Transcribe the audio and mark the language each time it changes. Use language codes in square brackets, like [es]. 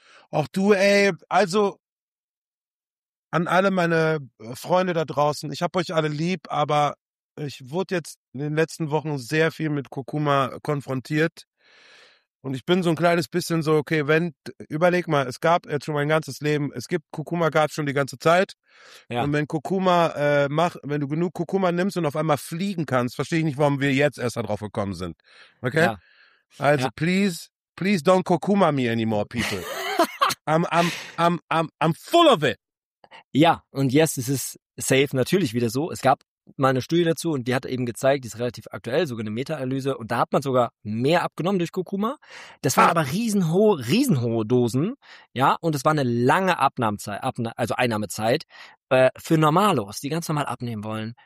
[de] Ach du, ey, also an alle meine Freunde da draußen, ich hab euch alle lieb, aber ich wurde jetzt in den letzten Wochen sehr viel mit Kurkuma konfrontiert. Und ich bin so ein kleines bisschen so, okay, wenn, überleg mal, es gab jetzt schon mein ganzes Leben, es gibt Kurkuma, gab es schon die ganze Zeit. Ja. Und wenn Kurkuma wenn du genug Kurkuma nimmst und auf einmal fliegen kannst, verstehe ich nicht, warum wir jetzt erst darauf gekommen sind. Okay? Ja. Also ja. [en] please don't Kurkuma me anymore, people. I'm full of it. [de] Ja, und yes, es ist safe natürlich wieder so. Es gab mal eine Studie dazu und die hat eben gezeigt, die ist relativ aktuell, sogar eine Meta-Analyse, und da hat man sogar mehr abgenommen durch Kurkuma. Das waren aber riesenhohe Dosen, ja, und es war eine lange Einnahmezeit für Normalos, die ganz normal abnehmen wollen.